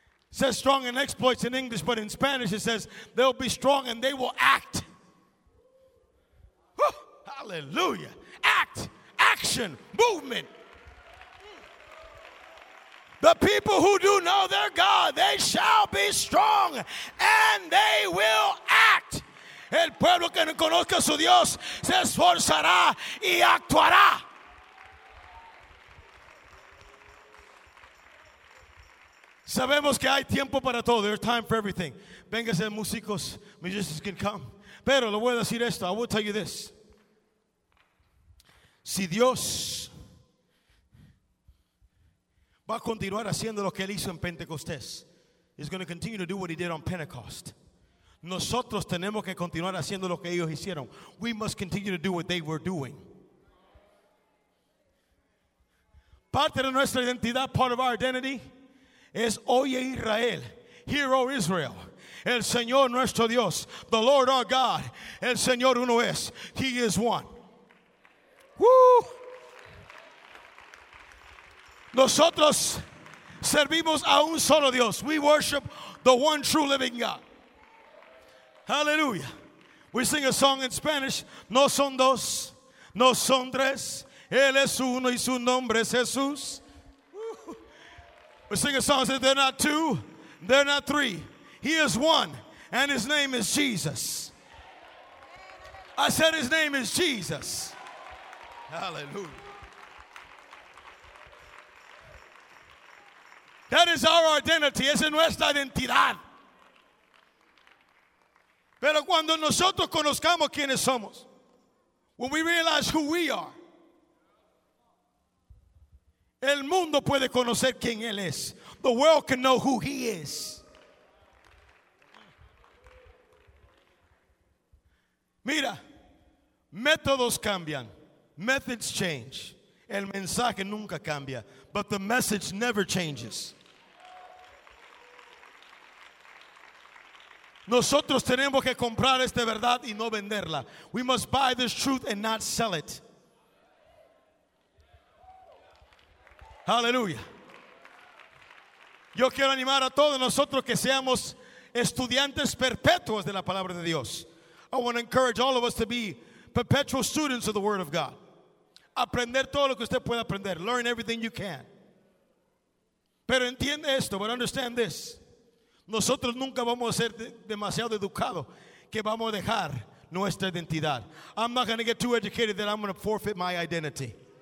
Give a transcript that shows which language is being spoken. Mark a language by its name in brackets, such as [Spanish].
[English] Says strong and exploits in English, but in Spanish it says, they'll be strong and they will act. Hallelujah. Act, action, movement. The people who do know their God, they shall be strong and they will act. [Spanish] El pueblo que no conozca su Dios se esforzará y actuará. Sabemos que hay tiempo para todo. [English] There's time for everything. [Spanish] Véngase, músicos, [English] musicians can come. [Spanish] Pero le voy a decir esto. [English] I will tell you this. [Spanish] Si Dios va a continuar haciendo lo que él hizo en Pentecostés, [English] he's going to continue to do what he did on Pentecost. [Spanish] Nosotros tenemos que continuar haciendo lo que ellos hicieron. [English] We must continue to do what they were doing. [Spanish] Parte de nuestra identidad, [English] part of our identity, [Spanish] es oye Israel, [English] hear O Israel. [Spanish] El Señor nuestro Dios, [English] the Lord our God, [Spanish] el Señor uno es, [English] he is one. [Spanish] Woo. Nosotros servimos a un solo Dios. [English] We worship the one true living God. Hallelujah. We sing a song in Spanish. [Spanish] No son dos, no son tres. Él es uno y su nombre es Jesús. [English] Woo. We sing a song that says they're not two, they're not three. He is one and his name is Jesus. I said his name is Jesus. Hallelujah. That is our identity. [Spanish] Es nuestra identidad. Pero cuando nosotros conozcamos quiénes somos, [English] when we realize who we are, [Spanish] el mundo puede conocer quién él es. [English] The world can know who he is. [Spanish] Mira, métodos cambian. [English] Methods change. [Spanish] El mensaje nunca cambia. [English] But the message never changes. [Spanish] Nosotros tenemos que comprar esta verdad y no venderla. [English] We must buy this truth and not sell it. [Spanish] Hallelujah. Yo quiero animar a todos nosotros que seamos estudiantes perpetuos de la palabra de Dios. [English] I want to encourage all of us to be perpetual students of the Word of God. [Spanish] Aprender todo lo que usted pueda aprender. [English] Learn everything you can. [Spanish] Pero entiende esto, [English] but understand this. [Spanish] Nosotros nunca vamos a ser demasiado educados que vamos a dejar nuestra identidad. [English] I'm not going to get too educated that I'm going to forfeit my identity.